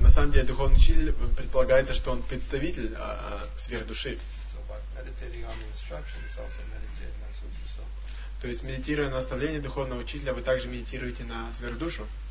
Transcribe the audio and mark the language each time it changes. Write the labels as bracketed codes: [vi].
[ru] На самом деле, духовный учитель предполагается, что он представитель сверхдуши. [en] So by meditating on the instructions, also meditating on Sutra. [ru] То есть, медитируя на наставление духовного учителя, вы также медитируете на сверхдушу.